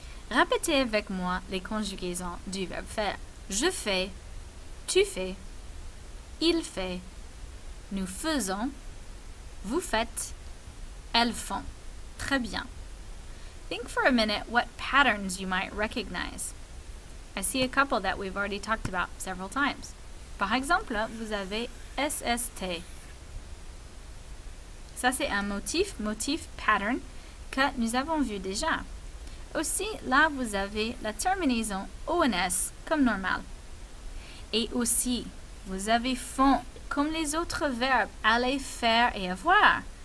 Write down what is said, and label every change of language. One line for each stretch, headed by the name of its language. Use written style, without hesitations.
French: Répétez avec moi les conjugaisons du verbe faire. Je fais, tu fais, il fait, nous faisons, vous faites, elles font. Très bien.
English: Think for a minute what patterns you might recognize. I see a couple that we've already talked about several times.
French: Par exemple, vous avez SST. Ça, c'est un motif pattern que nous avons vu déjà. Aussi, là, vous avez la terminaison ONS comme normal. Et aussi, vous avez font comme les autres verbes aller, faire et avoir.